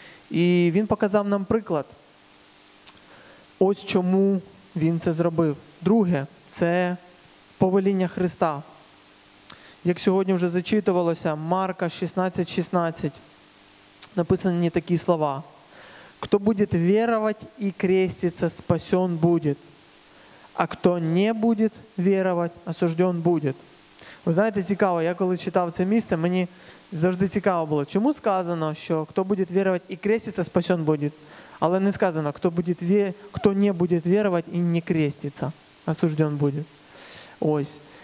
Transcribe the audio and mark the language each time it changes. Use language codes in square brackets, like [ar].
[uk] І він показав нам приклад, ось чому він це зробив. Друге, це повеління Христа. Як сьогодні вже зачитувалося, Марка 16:16 написані такі слова. [ru] «Кто будет веровать и креститься, спасен будет, а кто не будет веровать, осужден будет». [uk] Ви знаєте, цікаво, я коли читав це місце, мені завжди цікаво було, чому сказано, що [ru] «кто будет веровать и креститься, спасен будет», [uk] але не сказано, [ru] «кто, будет кто не будет веровать и не креститься, осужден будет». [uk] Ось.